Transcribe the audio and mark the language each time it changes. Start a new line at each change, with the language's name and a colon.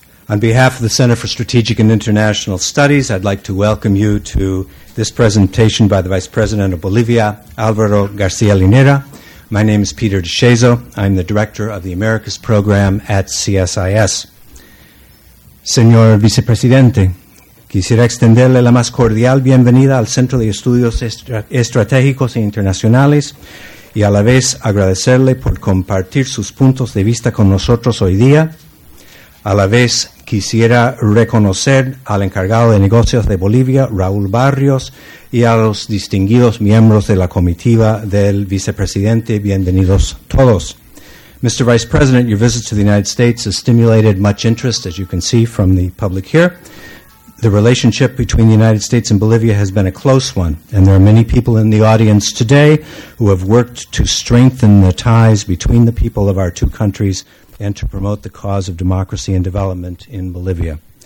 English: On behalf of the Center for Strategic and International Studies, I'd like to welcome you to this presentation by the Vice President of Bolivia, Alvaro Garcia Linera. My name is Peter DeShazo. I'm the Director of the Americas Program at CSIS.
Spanish: Señor Vicepresidente, quisiera extenderle la más cordial bienvenida al Centro de Estudios Estratégicos e Internacionales y a la vez agradecerle por compartir sus puntos de vista con nosotros hoy día. A la vez quisiera reconocer al encargado de negocios de Bolivia, Raúl Barrios, y a los distinguidos miembros de la comitiva del vicepresidente. Bienvenidos todos. Mr.
English: Vice President, your visit to the United States has stimulated much interest, as you can see from the public here. The relationship between the United States and Bolivia has been a close one, and there are many people in the audience today who have worked to strengthen the ties between the people of our two countries and to promote the cause of democracy and development in Bolivia.